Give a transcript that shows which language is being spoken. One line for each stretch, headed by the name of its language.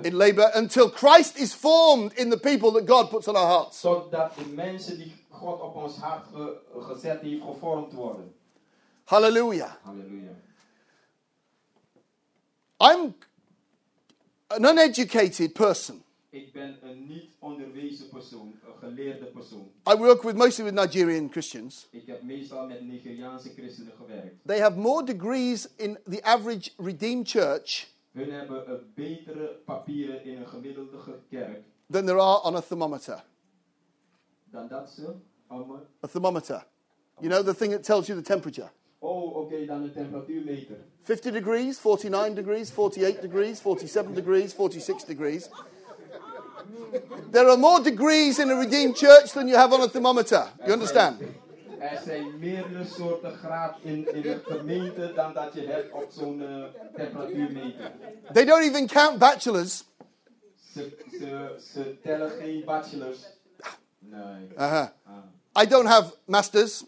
English: In labor until Christ is formed in the people that God puts on our hearts.
Dutch: Zodat de mensen die God op ons hart gezet heeft gevormd worden. Hallelujah. Hallelujah.
English: I'm an uneducated person.
Dutch: Ik ben een niet onderwezen persoon, een geleerde persoon.
English: I work with mostly with Nigerian Christians.
Dutch: Ik heb meestal met Nigeriaanse christenen gewerkt.
English: They have more degrees in the average Redeemed Church.
Dutch: Hun hebben een betere papieren in een gemiddelde kerk.
English: Than there are on a thermometer.
Dutch: Dan dat ze
English: a thermometer. You know the thing that tells you the temperature?
Dutch: Oh, okay, dan de temperatuur meter.
English: 50 degrees, 49 degrees, 48 degrees, 47 degrees, 46 degrees. There are more degrees in a redeemed church than you have on a thermometer. You understand?
Dutch: Er zijn meerdere soorten graden in de gemeente dan dat je hebt op zo'n temperatuurmeter.
English: They don't even count bachelors.
Dutch: Ze tellen geen bachelors. Nee.
English: I don't have masters.